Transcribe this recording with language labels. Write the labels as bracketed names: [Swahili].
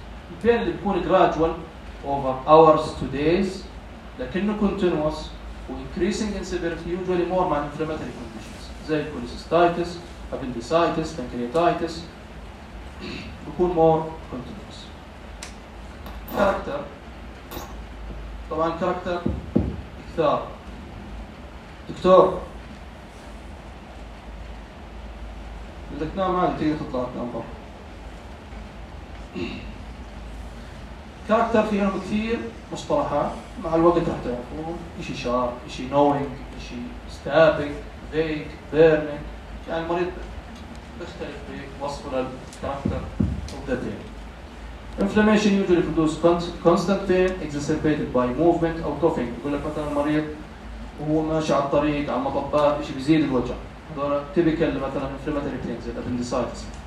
[English] البين اللي بيكون gradual over hours to days لكنه continuous و increasing in severity usually more مع inflammatory conditions زي cholecystitis, appendicitis, pancreatitis بيكون more continuous. character طبعا character اكثر. [Arabic] دكتور بدك تنام عادي تيجي تطلع تنام برا. كاركتر فيهم كثير مصطلحات مع الوقت راح تعرفوهم. [English] اشي شارب, اشي نوينج, اشي ستابنج, فيك, بيرنج. [Arabic] يعني المريض بيختلف بوصفه للكاركتر وبدا تاني. [English] Inflammation usually produced constant pain exacerbated by movement or coughing. [Arabic] يقول لك مثلا المريض وهو ماشي على الطريق على المطبات شيء بيزيد الوجع. [English] هذول typical مثلا inflammatory pains زي appendicitis.